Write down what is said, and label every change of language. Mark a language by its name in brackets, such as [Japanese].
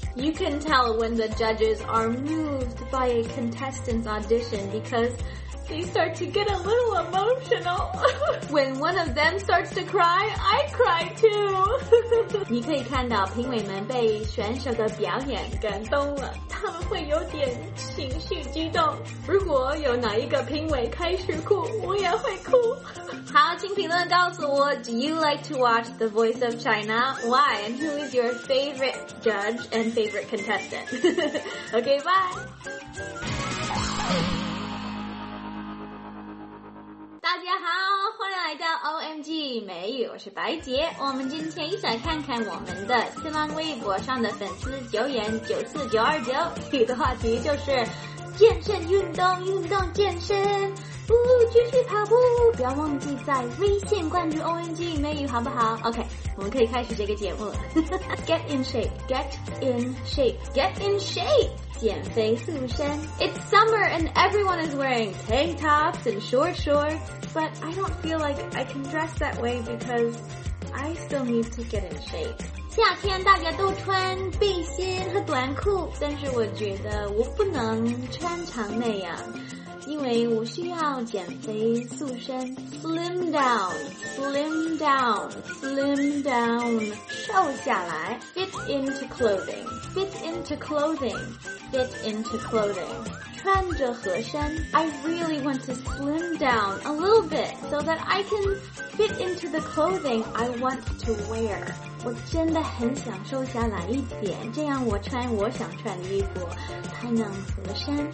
[English] You can tell when the judges are moved by a contestant's audition because they start to get a little emotional. When one of them starts to cry, I cry too. [Chinese] 你可以看到评委们被选手的表演感动了，他们会有点情绪激动。如果有哪一个评委开始哭，我也会哭。好，请评论告诉我 [English] Do you like to watch The Voice of China? Why? And who is your favorite judge and favorite contestant? Okay, bye! [Chinese] 大家好，欢迎来到 OMG 美语，我是白洁。我们今天一起来看看我们的新浪微博上的粉丝留言94929，你的话题就是健身运动，运动健身。不，继续跑步，不要忘记在微信关注 ONG 美语，好不好？ OK， 我们可以开始这个节目了。 [English] Get in shape. [Chinese] 减肥塑身。 [English] It's summer and everyone is wearing tank tops and short shorts, but I don't feel like I can dress that way because I still need to get in shape. [Chinese] 夏天大家都穿背心和短裤，但是我觉得我不能穿成那样，因为我需要减肥塑身。 [English] Slim down. [Chinese] 瘦下来。 [English] Fit into clothing. [Chinese] 穿着合身。 [English] I really want to slim down a little bit so that I can fit into the clothing I want to wear. [Chinese] 我真的很想瘦下来一点，这样我穿我想穿的衣服才能合身。